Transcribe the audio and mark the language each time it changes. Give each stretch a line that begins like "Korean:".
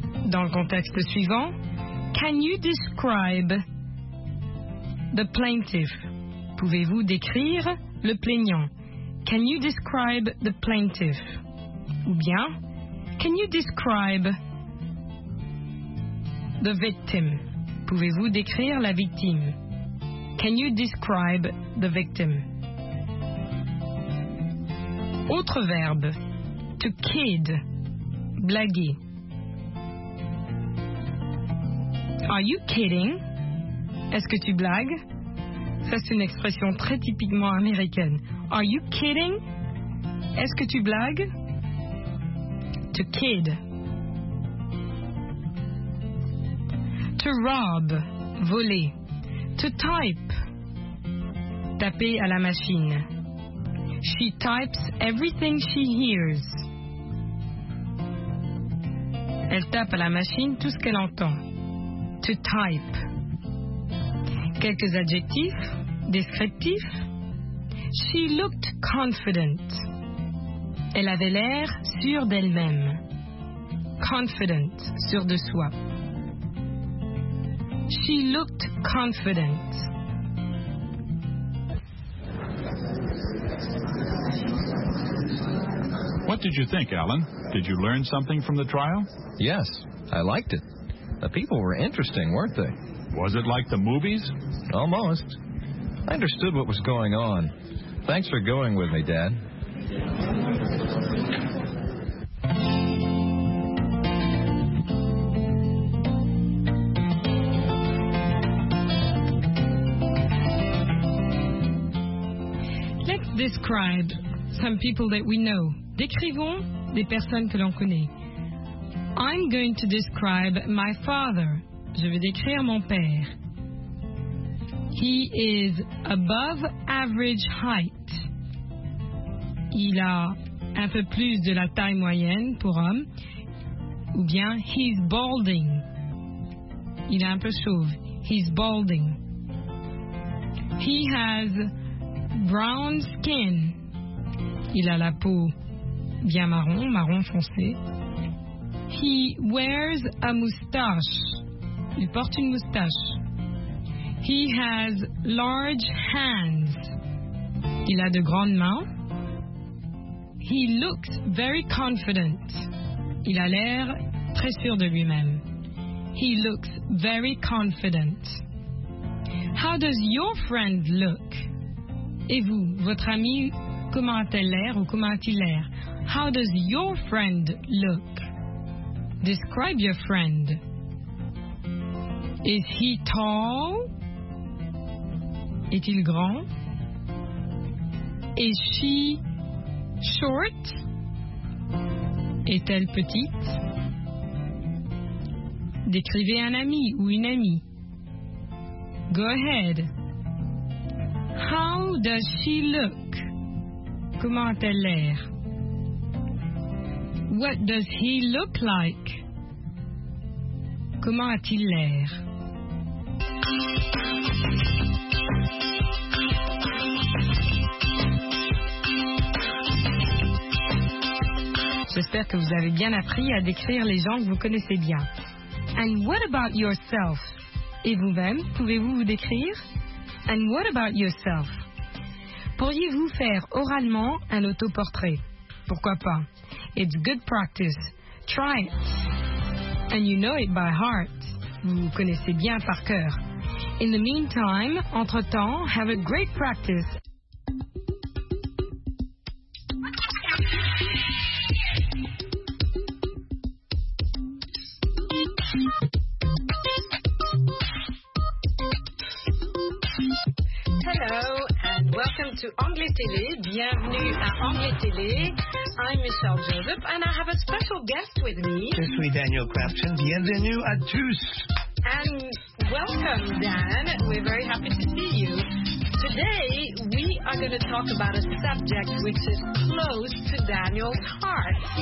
French: Dans le contexte suivant,
English: can you describe the plaintiff?
French: Pouvez-vous décrire le plaignant?
English: Can you describe the plaintiff?
French: Ou bien,
English: can you describe the victim?
French: Pouvez-vous décrire la victime?
English: Can you describe the victim?
French: Autre verbe.
English: To kid.
French: Blaguer.
English: Are you kidding?
French: Est-ce que tu blagues? Ça, c'est une expression très typiquement américaine.
English: Are you kidding?
French: Est-ce que tu blagues?
English: To kid. To rob,
French: voler.
English: To type,
French: taper à la machine.
English: She types everything she hears.
French: Elle tape à la machine tout ce qu'elle entend.
English: To type.
French: Quelques adjectifs, descriptifs.
English: She looked confident.
French: Elle avait l'air sûre d'elle-même. Confident, sûre de soi.
English: She looked confident. What did you think, Alan? Did you learn something from the trial? Yes, I liked it. The people were interesting, weren't they? Was it like the movies? Almost. I understood what was going on. Thanks for going with me, Dad. Describe some people that we know.
French: Décrivons des personnes que l'on connaît.
English: I'm going to describe my father.
French: Je vais décrire mon père.
English: He is above average height.
French: Il a un peu plus de la taille moyenne pour homme. Ou bien,
English: he's balding.
French: Il est un peu chauve.
English: He's balding. He has brown skin.
French: Il a la peau bien marron, marron foncé.
English: He wears a moustache.
French: Il porte une moustache.
English: He has large hands.
French: Il a de grandes mains.
English: He looks very confident.
French: Il a l'air très sûr de lui-même.
English: He looks very confident. How does your friend look?
French: Et vous, votre ami, comment a-t-elle l'air ou comment a-t-il l'air?
English: How does your friend look? Describe your friend. Is he tall?
French: Est-il grand?
English: Is she short?
French: Est-elle petite? Décrivez un ami ou une amie.
English: Go ahead. How does she look?
French: Comment a-t-elle l'air?
English: What does he look like?
French: Comment a-t-il l'air? J'espère que vous avez bien appris à décrire les gens que vous connaissez bien.
English: And what about yourself?
French: Et vous-même, pouvez-vous vous décrire?
English: And what about yourself?
French: Pourriez-vous faire oralement un autoportrait? Pourquoi pas?
English: It's good practice. Try it. And you know it by heart.
French: Vous connaissez bien par cœur.
English: In the meantime,
French: entre-temps,
English: have a great practice. Hello and welcome to Anglais Télé.
French: Bienvenue à Anglais Télé.
English: I'm Michelle Joseph and I have a special guest with me. It's me, Daniel Crafton.
French: Bienvenue à tous.
English: And welcome, Dan. We're very happy to see you. Today, we are going to talk about a subject which is close to Daniel's heart.